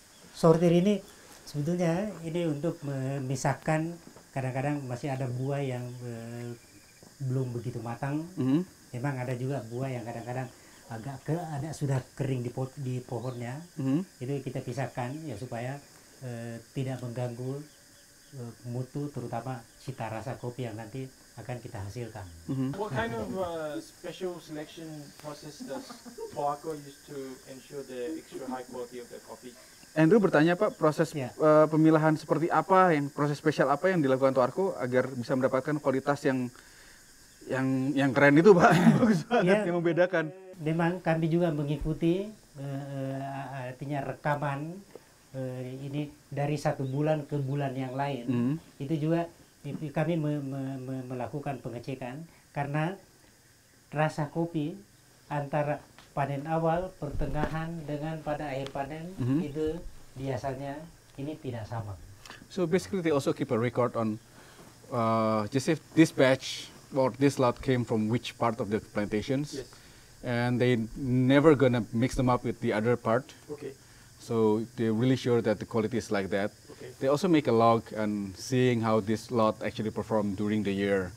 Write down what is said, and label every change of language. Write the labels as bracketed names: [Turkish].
[Indonesian] Sortir ini sebetulnya ini untuk memisahkan kadang-kadang masih ada buah yang belum begitu matang. Uh-huh. Memang ada juga buah yang kadang-kadang agak ada sudah kering di pohonnya. Mm-hmm. Itu kita pisahkan ya supaya tidak mengganggu mutu terutama cita rasa kopi yang nanti akan kita hasilkan. Mm-hmm. [English] What kind of special selection process does Toako use to ensure the extra high quality of the coffee? [Indonesian] Andrew bertanya Pak, proses pemilahan seperti apa yang proses spesial apa yang dilakukan Toako agar bisa mendapatkan kualitas yang keren itu Pak, yang membedakan. Memang kami juga mengikuti artinya rekaman ini dari satu bulan ke bulan yang lain. Mm. Itu juga kami melakukan pengecekan karena rasa kopi antara panen awal, pertengahan dengan pada akhir panen itu biasanya ini tidak sama. [English] So basically they also keep a record on just if this batch or this lot came from which part of the plantations. Yes. And they never gonna mix them up with the other part. Okay. So they're really sure that the quality is like that. Okay. They also make a log and seeing how this lot actually performed during the year.